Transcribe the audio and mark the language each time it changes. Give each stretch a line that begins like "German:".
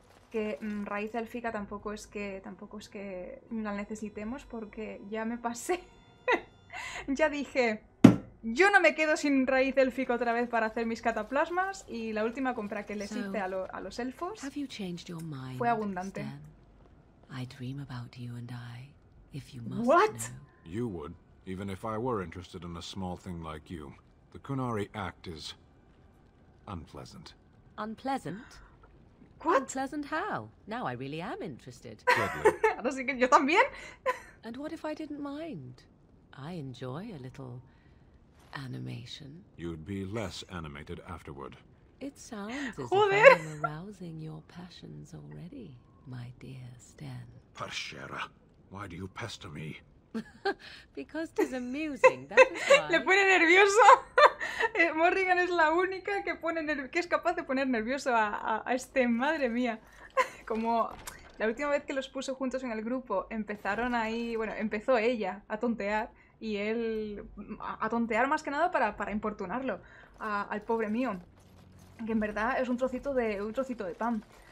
Spanish: Que raíz élfica tampoco es que la necesitemos porque ya me pasé. Ya dije, yo no me quedo sin raíz élfica otra vez para hacer mis cataplasmas y la última compra que les hice a los elfos fue abundante.
English: I dream about you and I, if you must. What? You would, even if I were interested in a small thing like you. The Kunari act is unpleasant. Unpleasant? What? Unpleasant how? Now I really am interested.
Spanish: Ahora sí que yo también.
English: And what if I didn't mind? I enjoy a little animation. You'd be less animated afterward. It sounds as if I'm arousing your passions already, my dear Sten. Parshera, why do you pester me? Because 'tis amusing, that is why.
Spanish: Le pone nervioso. Morrigan es la única que pone que es capaz de poner nervioso a este, madre mía. Como la última vez que los puso juntos en el grupo, empezaron ahí, bueno, empezó ella a tontear y él a tontear más que nada para importunarlo al pobre mío, que en verdad es un trocito de pan.